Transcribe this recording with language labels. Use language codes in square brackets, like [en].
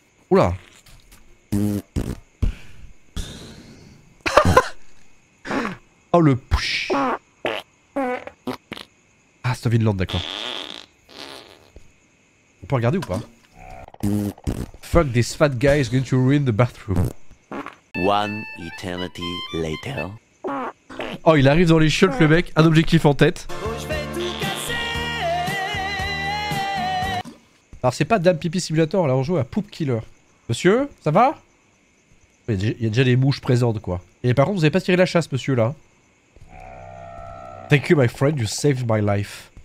[fr] Oula. Oh, le push. Ah, c'est Vinland, d'accord. On peut regarder ou pas? [en] Fuck, this fat guy is going to ruin the bathroom. One eternity later. [fr] Oh, il arrive dans les shots, le mec. Un objectif en tête. Alors, c'est pas Dame Pipi Simulator, là, on joue à Poop Killer. Monsieur, ça va? Il y a déjà des mouches présentes, quoi. Et par contre, vous avez pas tiré la chasse, monsieur, là. [en] Thank you, my friend, you saved my life.